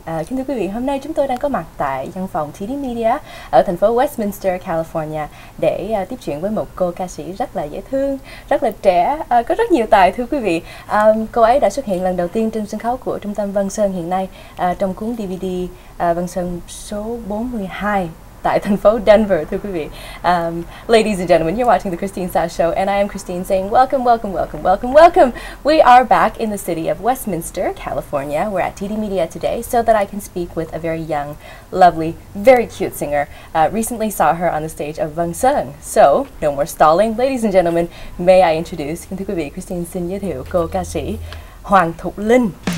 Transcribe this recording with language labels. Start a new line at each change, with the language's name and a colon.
Vietnamese: Kính thưa quý vị, hôm nay chúng tôi đang có mặt tại văn phòng TD Media ở thành phố Westminster, California để tiếp chuyện với một cô ca sĩ rất là dễ thương, rất là trẻ, có rất nhiều tài thưa quý vị. Cô ấy đã xuất hiện lần đầu tiên trên sân khấu của trung tâm Văn Sơn hiện nay trong cuốn DVD Văn Sơn số 42. Tại thành phố Denver, thưa quý vị.
English: Ladies and gentlemen, you're watching the Kristine Sa Show, and I am Kristine saying welcome, welcome, welcome, welcome, welcome. We are back in the city of Westminster, California. We're at TD Media today so that I can speak with a very young, lovely, very cute singer. Recently saw her on the stage of Vang Sung. So, no more stalling. Ladies and gentlemen, may I introduce,
Vietnamese: thưa quý vị, Kristine xin giới thiệu cô ca sĩ Hoang Thuc Linh.